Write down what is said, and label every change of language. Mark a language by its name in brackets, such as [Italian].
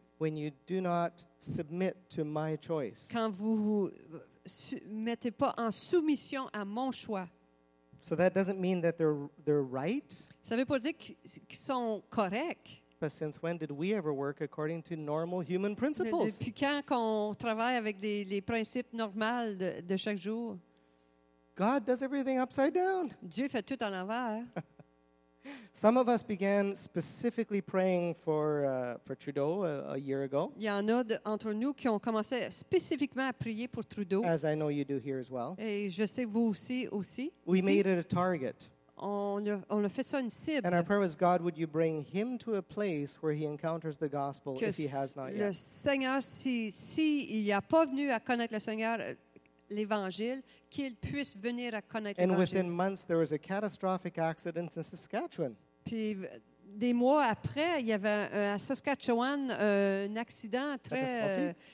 [English] When you do not submit to my choice. [French] Quand vous vous mettez pas en soumission à mon choix. [English] So that doesn't mean that they're right. [French] Ça veut pas dire qu'ils sont corrects. [English] But since when did we ever work according to normal human principles? [French] Depuis quand qu'on travaille avec les principes normaux de chaque jour? [English] God does everything upside down. [French] Dieu fait tout à l'envers. [English] Some of us began specifically praying for Trudeau a year ago. [French] Il y en a entre nous qui ont commencé spécifiquement à prier pour Trudeau. [English] As I know you do here as well. [French] Et je sais vous aussi. [English] We made it a target. [French] On a fait ça une cible. [English] And our prayer was, God, would you bring him to a place where he encounters the gospel [French] que [English] if he has not [French] le [English] yet? [French] Le Seigneur, si il n'y a pas venu à connaître le Seigneur, l'Évangile, qu'il puisse venir à connaître l'Évangile. [English] And within months, there was a catastrophic accident in Saskatchewan. [French] Puis, des mois après, il y avait à Saskatchewan un accident très...